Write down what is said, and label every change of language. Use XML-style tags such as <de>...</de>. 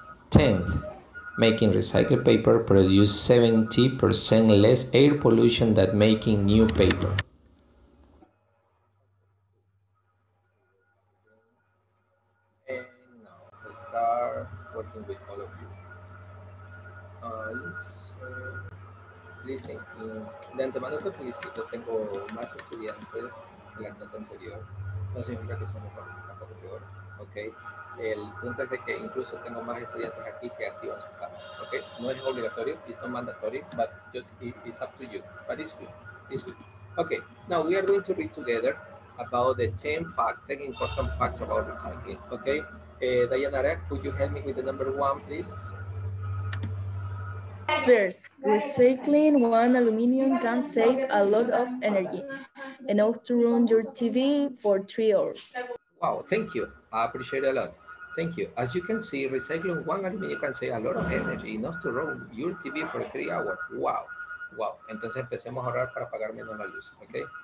<en>Tenth, making recycled paper produces 70% less air pollution than making new paper. And now, I start working with all of you.</en> <es>Listen, de antemano te felicito, tengo más estudiantes que la clase anterior. No significa que son mejor, peor, ¿ok? El punto es de que incluso tengo más estudiantes aquí que activan su cámara, ¿ok? No es obligatorio,</es> <en>it's not mandatory, but just it's up to you. But it's good. Okay, now we are going to read together about the 10 facts, 10 important facts about recycling, ¿ok? Dayanara, could you help me with the number one, please? First, recycling one aluminum can save a lot of energy, enough to run your TV for 3 hours. Wow, thank you. I appreciate it a lot. Thank you. As you can see, recycling one aluminum can save a lot of energy, enough to run your TV for 3 hours. Wow, wow.</en> <es>Entonces empecemos a ahorrar para pagar menos la luz, okay?</es>